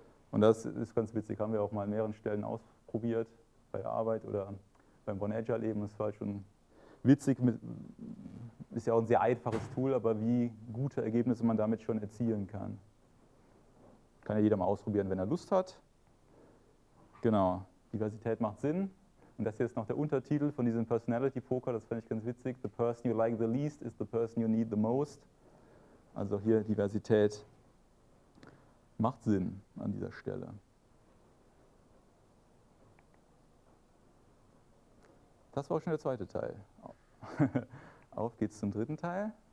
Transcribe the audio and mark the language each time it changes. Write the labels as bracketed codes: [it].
[de] Und das ist ganz witzig, haben wir auch mal an mehreren Stellen ausprobiert, bei der Arbeit oder beim Born Agile eben. Es war halt schon witzig, ist ja auch ein sehr einfaches Tool, aber wie gute Ergebnisse man damit schon erzielen kann. Kann ja jeder mal ausprobieren, wenn er Lust hat. Genau, Diversität macht Sinn. Und das hier ist noch der Untertitel von diesem Personality Poker, das fand ich ganz witzig. [en] The person you like the least is the person you need the most. [de] Also hier Diversität macht Sinn an dieser Stelle. Das war auch schon der zweite Teil. Auf geht's zum dritten Teil.